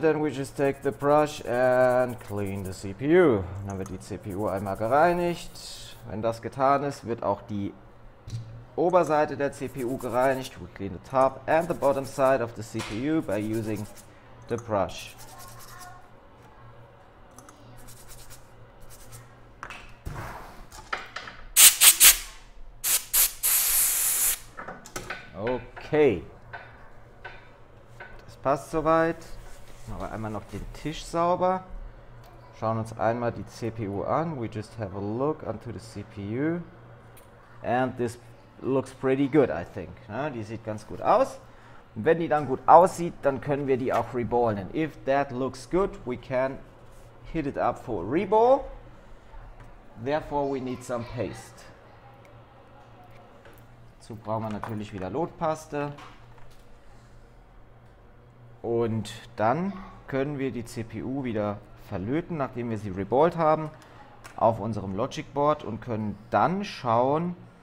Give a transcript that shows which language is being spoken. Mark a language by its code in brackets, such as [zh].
[en] Then we just take the brush and clean the CPU. [de] Dann wird die CPU einmal gereinigt. Wenn das getan ist, wird auch die Oberseite der CPU gereinigt. [en] We clean the top and the bottom side of the CPU by using the brush. [de] Okay, das passt soweit. Machen wir einmal noch den Tisch sauber. Schauen uns einmal die CPU an. [en] We just have a look onto the CPU. And this looks pretty good, I think. [de] Ja, die sieht ganz gut aus. Und wenn die dann gut aussieht, dann können wir die auch reballen. [en] If that looks good, we can hit it up for a reball. Therefore, we need some paste. [de] Dazu brauchen wir natürlich wieder Lotpaste und dann können wir die CPU wieder verlöten, nachdem wir sie reballt haben auf unserem Logic Board und können dann schauen,